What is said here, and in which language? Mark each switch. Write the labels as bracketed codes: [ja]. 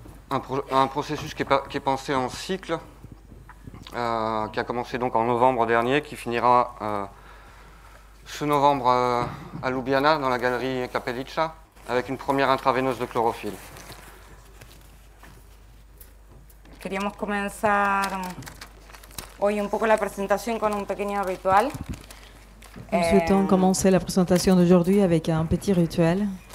[fr] Un processus qui est pensé en cycle, qui a commencé donc en novembre dernier, qui finira ce novembre à Ljubljana, dans la galerie Kapelica, avec une première intraveineuse de chlorophylle. [es] Queríamos comenzar hoy un poco la presentación con un pequeño ritual. [fr] Nous souhaitons commencer la présentation d'aujourd'hui avec un petit rituel.